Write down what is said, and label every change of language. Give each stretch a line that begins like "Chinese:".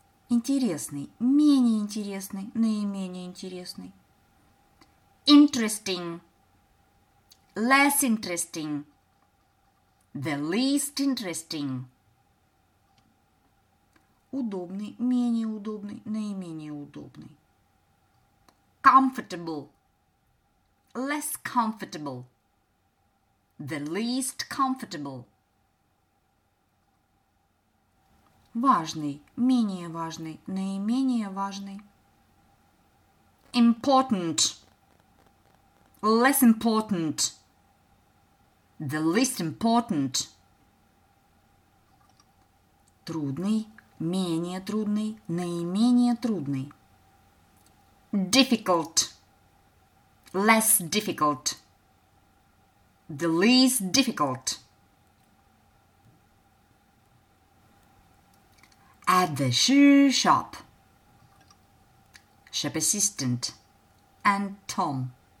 Russian: Интересный – менее интересный, наименее интересный.
English: Interesting – less interesting, the least interesting.
Russian: Удобный, менее удобный, наименее удобный.
English: Comfortable, less comfortable, the least comfortable.
Russian: Важный, менее важный, наименее важный.
English: Important, less important, the least important.
Russian: Трудный, менее трудный, наименее трудный.
English: Difficult, less difficult, the least difficult. At the shoe shop, shop assistant and Tom.